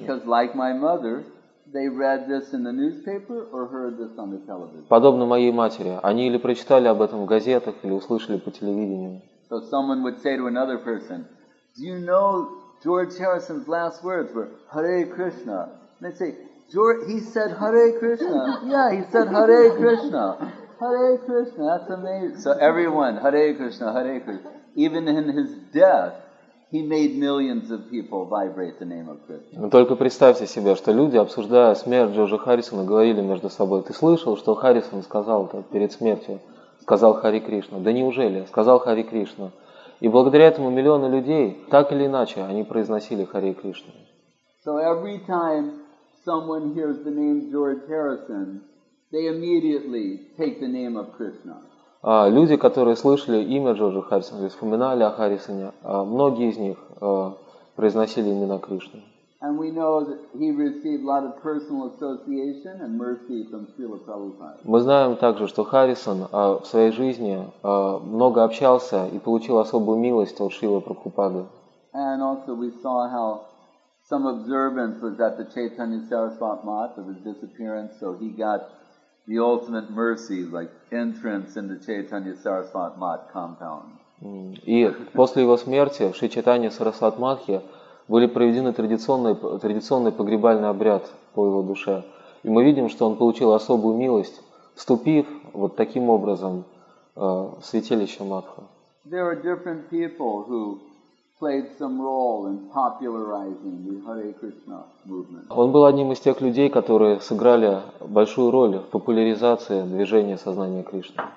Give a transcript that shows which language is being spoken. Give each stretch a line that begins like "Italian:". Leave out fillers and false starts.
English: Because like my mother, they read this in the newspaper or heard this on the television.
Russian: Подобно моей матери, они или прочитали об этом в газетах, или услышали по телевидению.
English: So someone would say to another person, "Do you know George Harrison's last words were Hare Krishna?" And they'd say, "George, he said Hare Krishna." Yeah, he said Hare Krishna. Hare Krishna. That's amazing. So everyone, Hare Krishna, Hare Krishna. Even in his death, he made millions of people vibrate the name of Krishna.
Russian: Но только представьте себе, что люди, обсуждая смерть Джорджа Харрисона, говорили между собой: "Ты слышал, что Харрисон сказал это перед смертью? Сказал Хари Кришна. Да неужели? Сказал Хари Кришна." И благодаря этому миллионы людей, так или иначе, они произносили Хари Кришна.
English: So every time someone hears the name George Harrison, they immediately take the name of Krishna.
Russian: Люди, которые слышали имя Джорджа Харрисона или вспоминали о Харрисоне, многие из них произносили имена Кришны.
English: And we know that he received a lot of personal association and mercy from Srila Prabhupada.
Russian: Мы знаем также, что Харрисон в своей жизни много общался и получил особую милость от Шрилы Прабхупады.
English: And also we saw how some observance was at the Chaitanya Saraswat Math of his disappearance, so he got the ultimate mercy, like entrance into Chaitanya Saraswat Math compound.
Russian: И после его смерти в Шри Чайтанья Сарасват Матхе были проведены традиционный погребальный обряд по его душе. И мы видим, что он получил особую милость, вступив вот таким образом в святилище Матха.
English: There are different people who played some role in popularizing the Hare Krishna movement.
Russian: Он был одним из тех людей, которые сыграли большую роль в популяризации движения сознания Кришны.